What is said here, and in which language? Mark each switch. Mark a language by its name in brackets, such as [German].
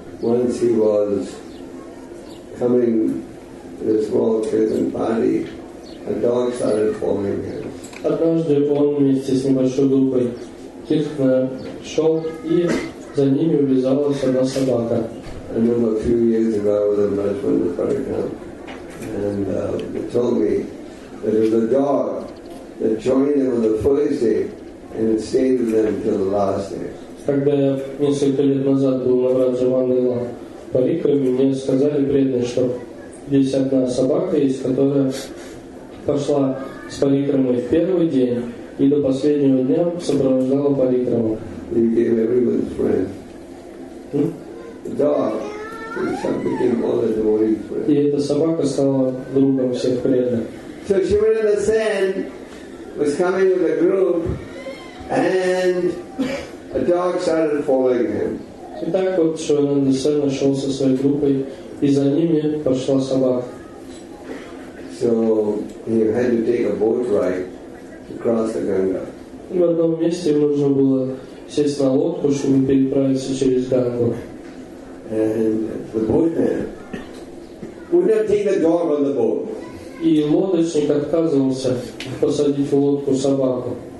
[English] Once he was coming to a small kitten party, a dog started following him. [Russian] Однажды он вместе с небольшой группой тихо шел, и за ними увязалась одна собака. [English] I remember a few years ago I was in Rajpanda Parikram, and they told me that it was a dog that joined them on the first day and it stayed with them until the last day. [Russian] Когда я несколько лет назад был на Раджа-Мандала Парикраме, мне сказали преданные, что здесь одна собака есть, которая пошла с Парикрамой в первый день и до последнего дня сопровождала Парикраму. [English] He became everyone's friend. The dog became all the devotees' friend. [Russian] И эта собака стала другом всех преданных. [English] So Shivananda Sen was coming with a group and a dog started following him. [Russian] Итак, вот Шивананда Сен нашел со своей группой, и за ними пошла собака. [English] So he had to take a boat ride to cross the Ganga. [Russian] И в одном месте ему нужно было сесть на лодку, чтобы переправиться через Гангу. [English] And the boatman would not take the dog on the boat. [Russian] И лодочник отказывался посадить в лодку собаку.